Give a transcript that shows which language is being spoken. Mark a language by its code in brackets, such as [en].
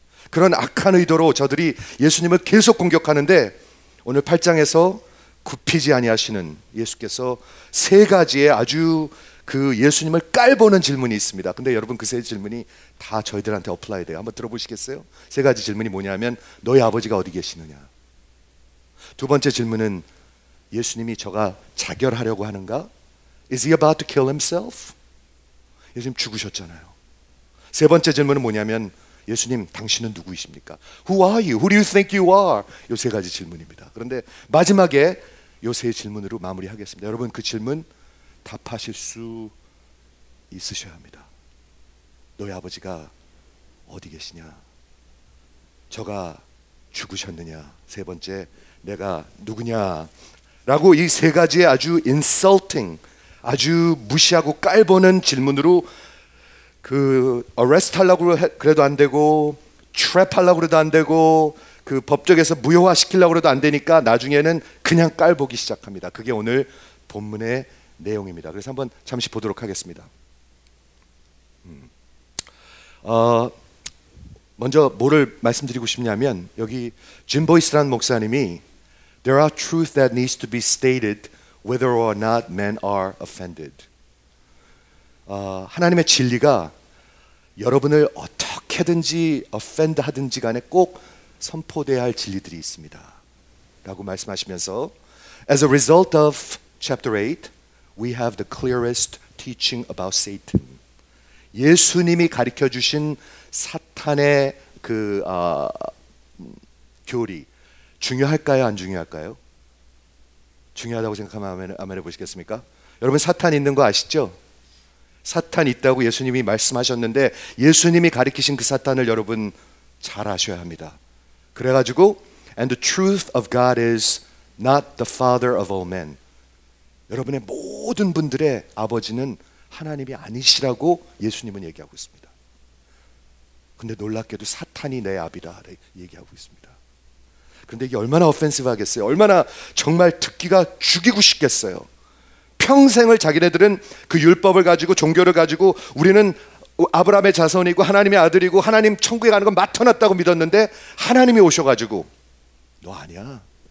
[ko] 그런 악한 의도로 저들이 예수님을 계속 공격하는데 오늘 8장에서 굽히지 아니하시는 예수께서 세 가지의 아주 그 예수님을 깔보는 질문이 있습니다. 근데 여러분 그 세 질문이 다 저희들한테 어플라이 돼요. 한번 들어보시겠어요? 세 가지 질문이 뭐냐면 너희 아버지가 어디 계시느냐. 두 번째 질문은 예수님이 저가 자결하려고 하는가? [en] Is he about to kill himself? [ko] 예수님 죽으셨잖아요. 세 번째 질문은 뭐냐면 예수님 당신은 누구이십니까? [en] Who are you? Who do you think you are? [ko] 요 세 가지 질문입니다. 그런데 마지막에 요 세 질문으로 마무리하겠습니다. 여러분 그 질문 답하실 수 있으셔야 합니다. 너희 아버지가 어디 계시냐? 저가 죽으셨느냐? 세 번째 내가 누구냐? 라고 이 세 가지의 아주 insulting, 아주 무시하고 깔보는 질문으로 그 arrest 하려고 그래도 안 되고 trap 하려고 그래도 안 되고 그 법적에서 무효화 시키려고 그래도 안 되니까 나중에는 그냥 깔보기 시작합니다. 그게 오늘 본문의 내용입니다. 그래서 한번 잠시 보도록 하겠습니다. 먼저 뭐를 말씀드리고 싶냐면 여기 Jim Boyce라는 목사님이 [en] There are truth that needs to be stated whether or not men are offended. [ko] 하나님의 진리가 여러분을 어떻게든지 offend 하든지 간에 꼭 선포돼야 할 진리들이 있습니다 라고 말씀하시면서 [en] As a result of chapter 8 we have the clearest teaching about Satan. [ko] 예수님이 가르쳐 주신 사탄의 그 교리 중요할까요 안 중요할까요? 중요하다고 생각하면 아멘 해보시겠습니까? 여러분 사탄 있는 거 아시죠? 사탄 있다고 예수님이 말씀하셨는데 예수님이 가르치신 그 사탄을 여러분 잘 아셔야 합니다. [en] 그래가지고 And the truth of God is not the father of all men. [ko] 여러분의 모든 분들의 아버지는 하나님이 아니시라고 예수님은 얘기하고 있습니다. 근데 놀랍게도 사탄이 내 아비다 얘기하고 있습니다. 그런데 이게 얼마나 offensive 하겠어요? 얼마나 정말 듣기가 죽이고 싶겠어요? 평생을 자기네들은 그 율법을 가지고 종교를 가지고 우리는 아브라함의 자손이고 하나님의 아들이고 하나님 천국에 가는 건 맡아놨다고 믿었는데 하나님이 오셔가지고 너 아니야.